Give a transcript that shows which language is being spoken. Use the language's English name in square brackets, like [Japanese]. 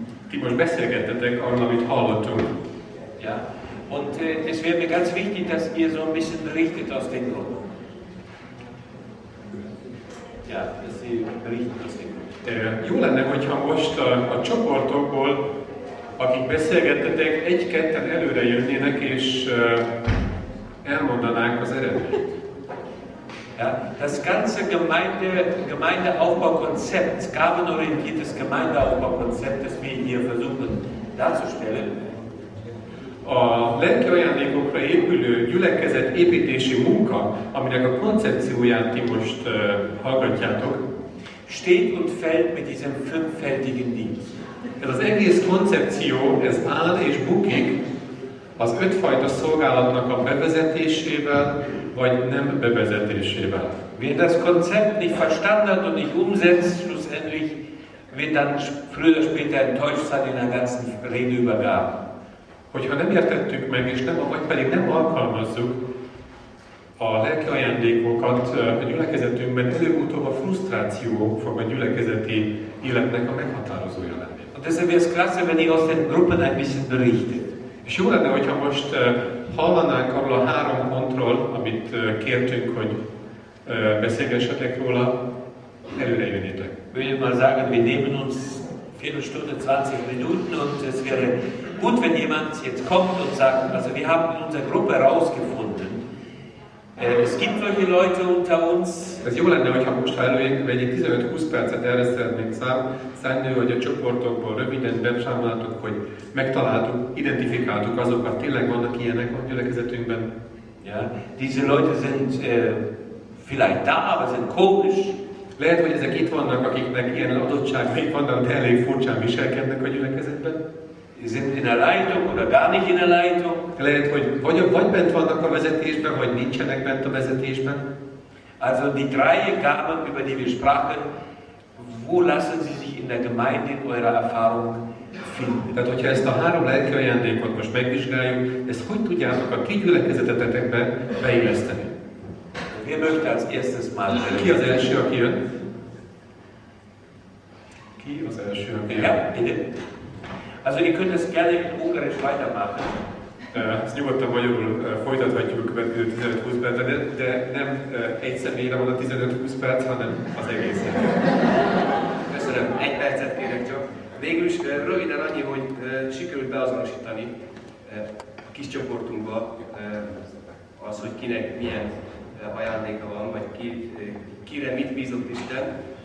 [German] Die man besser geht, dann denkt auch noch mit Hallertum. Ja, und es wäre mir ganz wichtig, dass ihr so ein bisschen berichtet aus den Gründen. Ja, dass sie berichten aus den Gründen. [Hungarian] Jó lenne, hogyha most a csoportokból, akik beszélgettetek, egy-ketten előre jönnének és elmondanák az eredményt. [German] Ja, das ganze Gemeindeaufbaukonzept, gabenorientiertes Gemeindeaufbaukonzept, das wir hier versuchen darzustellen. [Hungarian] A lelki ajándékokra épülő gyülekezet építési munka, aminek a koncepcióját ti most hallgatjátok, [German] steht und fällt mit diesem fünffältigen Dienst. [Hungarian] Ez az egész koncepció, ez áll és bukik az ötfajta szolgálatnak a bevezetésével, vagy nem bevezetésével. [German] Wer das Konzept nicht verstanden und nicht umsetzt, schlussendlich wird dann früher oder später enttäuscht sein in der ganzen Redeübergabe. [Hungarian] Hogyha nem értettük meg, és nem, vagy pedig nem alkalmazzuk a lelki ajándékokat a gyülekezetünkben, előbb-utóbb a frusztráció fog a gyülekezeti életnek a meghatározója lenni. [German] Und deshalb wäre es klasse, wenn ihr aus den Gruppen ein bisschen berichtet. [Hungarian] És jó lenne, hogyha most hallanánk arról a három pontról, amit kértünk, hogy beszélgessetek róla, előre jönnétek. [German] Würden mal sagen, wir nehmen uns Viertelstunde, 20 Minuten und es wäre gut, wenn jemand jetzt kommt und sagt, also wir haben in unserer Gruppe herausgefunden, es gibt solche Leute unter uns. [Hungarian] Ez jó lenne, hogyha most előjönk, vagy egy 15-20 percet erre szeretnénk szállni, hogy a csoportokból röviden bepsámoltuk, hogy megtaláltuk, identifikáltuk azokat, tényleg vannak ilyenek a gyülekezetünkben. [German] Ja, diese Leute sind vielleicht da, aber sind komisch. [Hungarian] Lehet, hogy ezek itt vannak, akiknek ilyen adottságai vannak, de elég furcsán viselkednek a gyülekezetben. [German] Sind in der Leitung oder gar nicht in der Leitung. [Hungarian] Lehet, hogy vagy bent vannak a vezetésben, vagy nincsenek bent a vezetésben. [German] Also die drei Gaben, über die wir sprachen, wo lassen sie sich in der Gemeinde in eurer Erfahrung finden? [Hungarian] Tehát, hogyha ezt a három lelki ajándékot most megvizsgáljuk, ezt hogy tudjátok a ti gyülekezetetekbe beilleszteni? [German] Wer möchte als erstes mal? [Hungarian] Ki az első, aki jön? Ki az első, aki jön? [German] Ja, bitte. Also ihr könnt es gerne in Ungarisch weitermachen. [Hungarian] Ezt nyugodtan magyarul folytathatjuk a következő 15-20 percet, de nem egy személyre van a 15-20 perc, hanem az egész. Köszönöm, egy percet kérek csak. Végül is röviden annyi, hogy sikerült beazonosítani a kis csoportunkba az, hogy kinek milyen ajándéka van, vagy kire mit bízott Isten.